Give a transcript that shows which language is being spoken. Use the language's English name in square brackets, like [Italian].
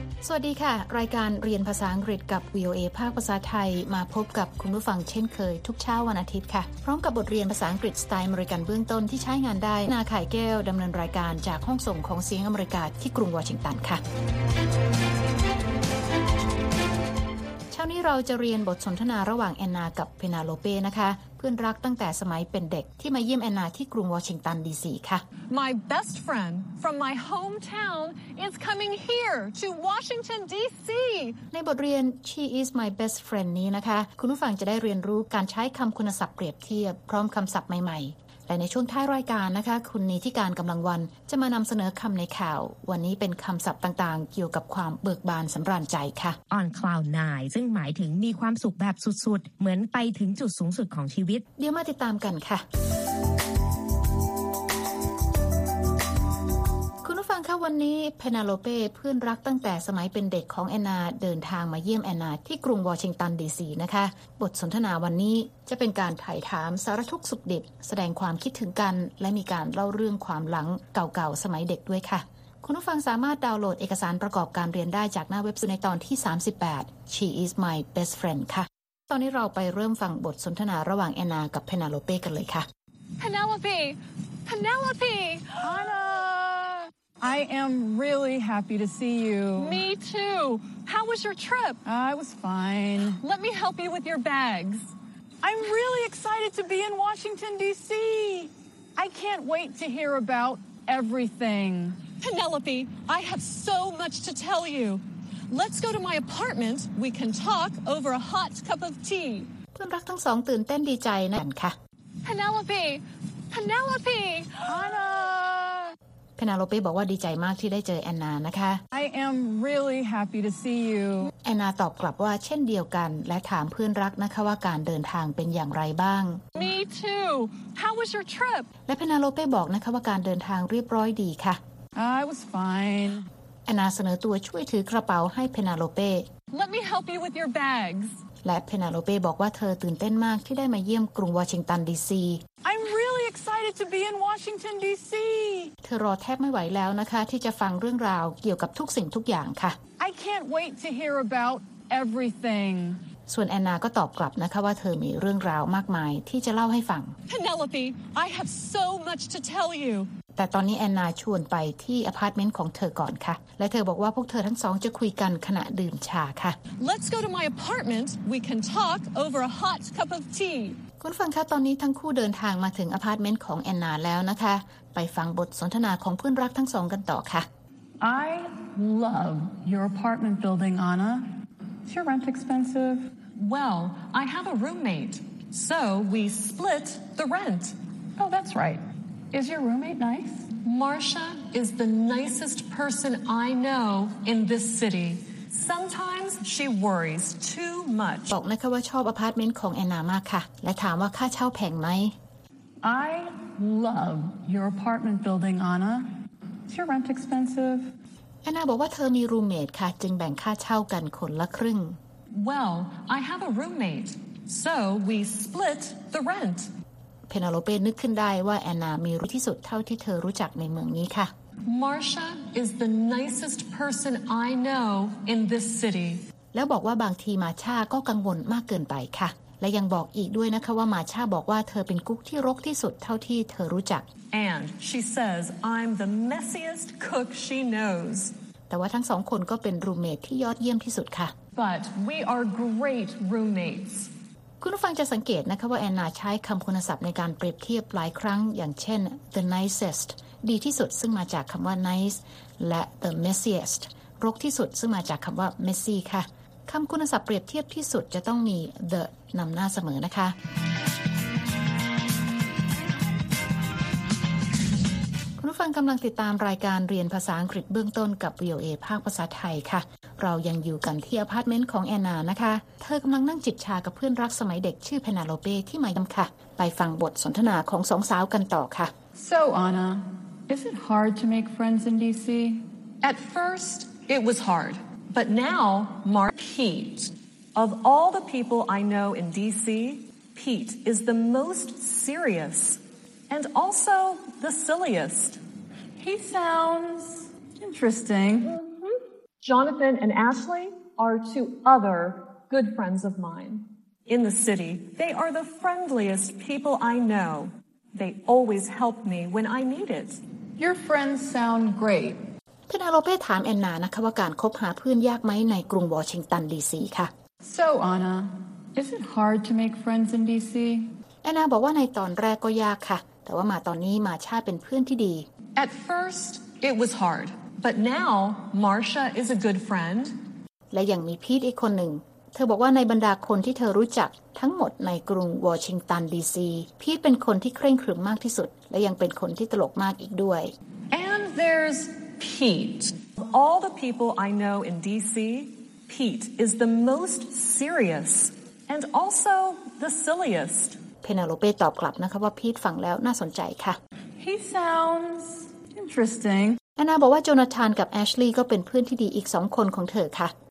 [Thai] สวัสดีค่ะรายการเรียนภาษาอังกฤษกับ VOA ภาคภาษาไทยมาพบกับคุณผู้ฟังเช่นเคยทุกเช้าวันอาทิตย์ค่ะพร้อมกับบทเรียนภาษาอังกฤษสไตล์อเมริกันเบื้องต้นที่ใช้งานได้นาไข่แก้วดำเนินรายการจากห้องส่งของเสียงอเมริกาที่กรุงวอชิงตันค่ะเช้านี้เราจะเรียนบทสนทนาระหว่างแอนนากับเพนาโลเป้นะคะเพื่อนรักตั้งแต่สมัยเป็นเด็กที่มาเยี่ยมแอนนาที่กรุงวอชิงตันดีซีค่ะ [English] My best friend from my hometown is coming here to Washington D.C. [Thai] ในบทเรียน [English] She is my best friend [Thai] นี้นะคะคุณผู้ฟังจะได้เรียนรู้การใช้คำคุณศัพท์เปรียบเทียบพร้อมคำศัพท์ใหม่ๆและในช่วงท้ายรายการนะคะคุณนีทิการกำลังวันจะมานำเสนอคำในข่าววันนี้เป็นคำศัพท์ต่างๆเกี่ยวกับความเบิกบานสำราญใจค่ะ [English] On cloud nine [Thai] ซึ่งหมายถึงมีความสุขแบบสุดๆเหมือนไปถึงจุดสูงสุดของชีวิต เดี๋ยวมาติดตามกันค่ะคุณผู้ฟังคะวันนี้เพนาโลเป้เพื่อนรักตั้งแต่สมัยเป็นเด็กของแอนนาเดินทางมาเยี่ยมแอนนาที่กรุงวอชิงตันดีซีนะคะบทสนทนาวันนี้จะเป็นการไถ่ถามสารทุกข์สุขดิบแสดงความคิดถึงกันและมีการเล่าเรื่องความหลังเก่าๆสมัยเด็กด้วยค่ะ คุณผู้ฟังสามารถดาวน์โหลดเอกสารประกอบการเรียนได้จากหน้าเว็บไซต์ในตอนที่38 [English] She is my best friend [Thai] ค่ะตอนนี้เราไปเริ่มฟังบทสนทนาระหว่างแอนนากับเพนาโลเป้กันเลยค่ะ [English] Penelope Penelope Anna I am really happy to see you Me too How was your trip I was fine Let me help you with your bags I'm really excited to be in Washington D.C. I can't wait to hear about everything Penelope I have so much to tell youLet's go to my apartment. We can talk over a hot cup of tea. [Thai] เพื่อนรักทั้งสองตื่นเต้นดีใจนะกันค่ะ [English] Penelope, Penelope, Anna. [Thai] Penelope บอกว่าดีใจมากที่ได้เจอแอนนานะคะ [English] I am really happy to see you. [Thai] แอนนาตอบกลับว่าเช่นเดียวกันและถามเพื่อนรักนะคะว่าการเดินทางเป็นอย่างไรบ้าง [English] Me too. How was your trip? [Thai] และ Penelope บอกนะคะว่าการเดินทางเรียบร้อยดีค่ะ [English] I was fine. [Thai] แอนนาเสนอตัวช่วยถือกระเป๋าให้เพนาโลเป้ [English] Let me help you with your bags [Thai] และเพนาโลเป้บอกว่าเธอตื่นเต้นมากที่ได้มาเยี่ยมกรุงวอชิงตันดีซี [English] I'm really excited to be in Washington D.C. [Thai] เธอรอแทบไม่ไหวแล้วนะคะที่จะฟังเรื่องราวเกี่ยวกับทุกสิ่งทุกอย่างค่ะ [English] I can't wait to hear about everything [Thai] ส่วนแอนนาก็ตอบกลับนะคะว่าเธอมีเรื่องราวมากมายที่จะเล่าให้ฟัง [English] Penelope I have so much to tell you [Thai] แต่ตอนนี้แอนนาชวนไปที่อพาร์ตเมนต์ของเธอก่อนค่ะและเธอบอกว่าพวกเธอทั้งสองจะคุยกันขณะดื่มชาค่ะ [English] Let's go to my apartment. We can talk over a hot cup of tea. [Thai] คุณฟังคะตอนนี้ทั้งคู่เดินทางมาถึงอพาร์ตเมนต์ของแอนนาแล้วนะคะไปฟังบทสนทนาของเพื่อนรักทั้งสองกันต่อค่ะ [English] I love your apartment building, Anna. Is your rent expensive? Well, I have a roommate, so we split the rent. Oh, that's right. Is your roommate nice? Marcia is the nicest person I know in this city. Sometimes she worries too much. [Thai] บอกนะคะว่าชอบอพาร์ตเมนต์ของแอนนามากค่ะและถามว่าค่าเช่าแพงไหม [English] I love your apartment building, Anna. Is your rent expensive? [Thai] แอนนาบอกว่าเธอมีรูมเมทค่ะจึงแบ่งค่าเช่ากันคนละครึ่ง [English] Well, I have a roommate, so we split the rent. [Thai] เพนาโลเป้นึกขึ้นได้ว่าแอนนามีรู้ที่สุดเท่าที่เธอรู้จักในเมืองนี้ค่ะ [English] Marcia is the nicest person I know in this city [Thai] แล้วบอกว่าบางทีมาชาก็กังวลมากเกินไปค่ะและยังบอกอีกด้วยนะคะว่ามาชาบอกว่าเธอเป็นกุ๊กที่รกที่สุดเท่าที่เธอรู้จัก [English] And she says I'm the messiest cook she knows [Thai] แต่ว่าทั้งสองคนก็เป็นรูมเมทที่ยอดเยี่ยมที่สุดค่ะ [English] But we are great roommates [Thai] คุณผู้ฟังจะสังเกตนะคะว่าแอนนาใช้คำคุณศัพท์ในการเปรียบเทียบหลายครั้งอย่างเช่น [English] the nicest [Thai] ดีที่สุดซึ่งมาจากคำว่า nice และ [English] the messiest [Thai] รกที่สุดซึ่งมาจากคำว่า messy ค่ะคำคุณศัพท์เปรียบเทียบที่สุดจะต้องมี the นำหน้าเสมอนะคะ คุณผู้ฟังกำลังติดตามรายการเรียนภาษาอังกฤษเบื้องต้นกับ VOA ภาคภาษาไทยค่ะเรายังอยู่กันที่อพาร์ตเมนต์ของแอนนานะคะเธอกำลังนั่งจิบชากับเพื่อนรักสมัยเด็กชื่อเพนาโลเป้ที่ไมอามค่ะไปฟังบทสนทนาของสองสาวกันต่อค่ะ [English] So Anna is it hard to make friends in DC At first it was hard but now Mark Pete of all the people I know in DC Pete is the most serious and also the silliest He sounds interesting Jonathan and Ashley are two other good friends of mine. In the city, they are the friendliest people I know. They always help me when I need it. Your friends sound great. [Thai] Penelope ถามแอนนานะคะว่าการคบหาเพื่อนยากไหมในกรุงวอชิงตันดีซีค่ะ [English] So Anna, is it hard to make friends in DC? [Thai] แอนนาบอกว่าในตอนแรกก็ยากค่ะแต่ว่ามาตอนนี้มาชาเป็นเพื่อนที่ดี [English] At first, it was hard. But now, Marcia is a good friend. [Thai] และยังมีพีทอีกคนหนึ่งเธอบอกว่าในบรรดาคนที่เธอรู้จักทั้งหมดในกรุงวอชิงตันดีซีพีทเป็นคนที่เคร่งขรึมมากที่สุดและยังเป็นคนที่ตลกมากอีกด้วย [English] And there's Pete. Of all the people I know in DC, Pete is the most serious and also the silliest. [Thai] Penelope ตอบกลับนะคะว่าพีทฟังแล้วน่าสนใจค่ะ [English] He sounds interesting. [Thai] Anna บอกว่าโจนาธานกับ Ashley ก็เป็นเพื่อนที่ดีอีก2คนของเธอค่ะ